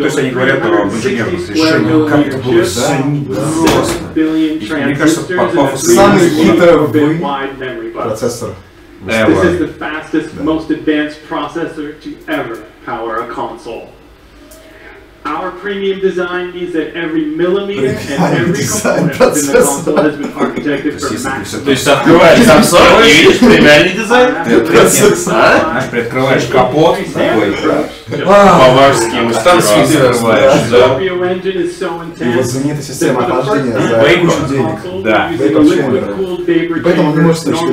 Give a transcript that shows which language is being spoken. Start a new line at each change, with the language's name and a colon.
Russian: То есть они говорят о инженерных решениях, как это было, да? Мне кажется, самый хитрый процессор.
English: This is the fastest, most advanced processor to ever power a console. Our premium design means that every millimeter and every component in the console has been architected for maximum.
Russian: То есть открываешь консоль и видишь премиальный дизайн? Ты процессор, а? Приоткрываешь капот такой, поварский, мустанский закрываешь, да? И вот знаменитая система охлаждения за кучу денег. Да. Поэтому он может точно